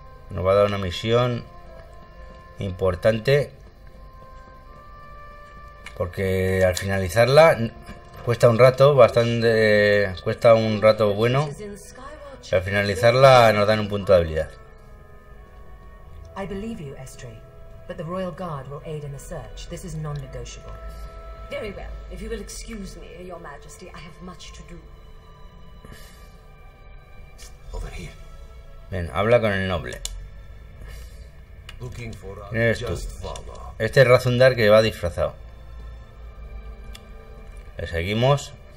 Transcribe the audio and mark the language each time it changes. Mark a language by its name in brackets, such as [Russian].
[Spanish] Nos va a dar una misión importante. Porque al finalizarla cuesta un rato, bastante. Cuesta un rato bueno. Y al finalizarla nos dan un punto de habilidad. [English] I believe you, Estri, but the Royal Guard will aid in the search. This is non-negotiable. Very well. If you will excuse me, Your Majesty, I have much to do. Over here. [Spanish] Bien, habla con el noble. Esto. Este es Razundar que va disfrazado. Le seguimos.